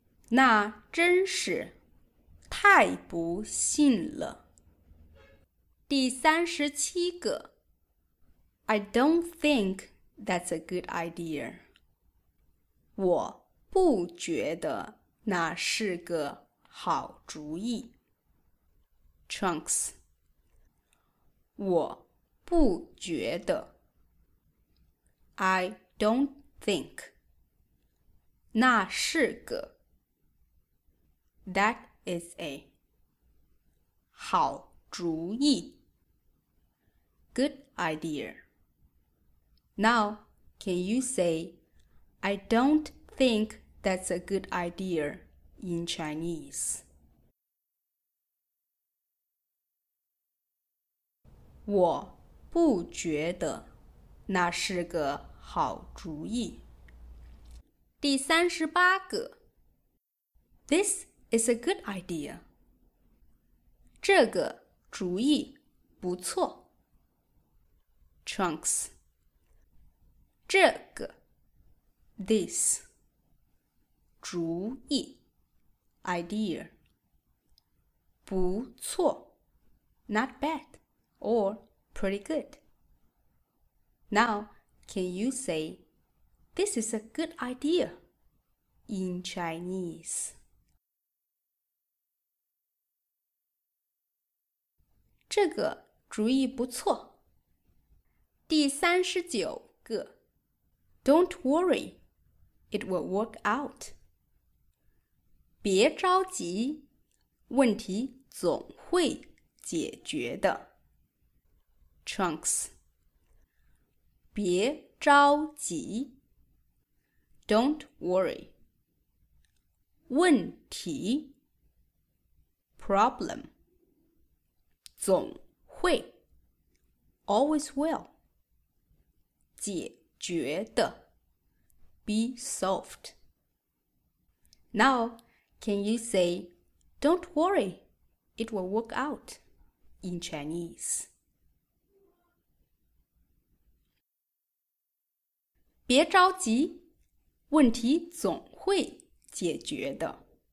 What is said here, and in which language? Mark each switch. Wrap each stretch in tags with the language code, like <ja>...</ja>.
<zh>那真是太不幸了。第37个</zh> <en>I don't think that's a good idea.</en> <zh>我不觉得那是个好主意。</zh> <en>Trunks</en> <zh>我不觉得</zh> <en>I don't think</en> <zh>那是个</zh> <en>That is a</en> <zh>好主意</zh> <en>Good idea. Now, can you say, I don't think that's a good idea in Chinese?</en> <zh>我不觉得那是个好主意。第38个</zh> <en>This is a good idea.</en> <zh>这个主意不错。</zh> <en>Trunks</en> <zh>这个</zh> <en>This</en> <zh>主意</zh> <en>Idea</en> <zh>不错</zh> <en>Not bad or pretty good. Now, can you say, This is a good idea in Chinese?</en> <zh>这个主意不错。第三十九个</zh> <en>Don't worry, it will work out.</en> <zh>别着急，问题总会解决的。</zh> <en>Trunks</en> <zh>别着急</zh> <en>Don't worry</en> <zh>问题</zh> <en>Problem</en> <zh>总会</zh> <en>Always will</en> <zh>解决的</zh> <en>Be solved Now, can you say Don't worry, it will work out in Chinese?</en> <zh>别着急，问题总会解决的。</zh>